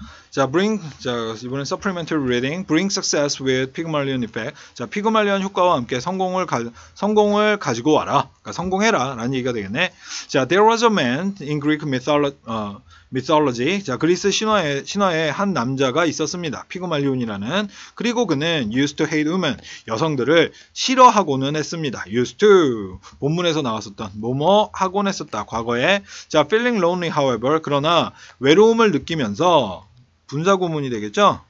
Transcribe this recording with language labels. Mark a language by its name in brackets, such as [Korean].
[English] 자, bring [Korean] 이번엔 [English] supplemental reading. Bring success with Pygmalion effect. [Korean] 자, 피그말리온 효과와 함께 성공을 가지고 와라. 그러니까 성공해라 라는 얘기가 되겠네. [English] 자, there was a man in Greek mythology. [Korean] 자, 그리스 신화에 한 남자가 있었습니다. 피그말리온이라는. 그리고 그는 [English] used to hate women. [Korean] 여성들을 싫어하고는 했습니다. [English] used to. [Korean] 본문에서 나왔었던 뭐뭐 하곤 했었다. 과거에. [English] 자, feeling lonely however. [Korean] 그러나 외로움을 느끼면서 분사 구문이 되겠죠?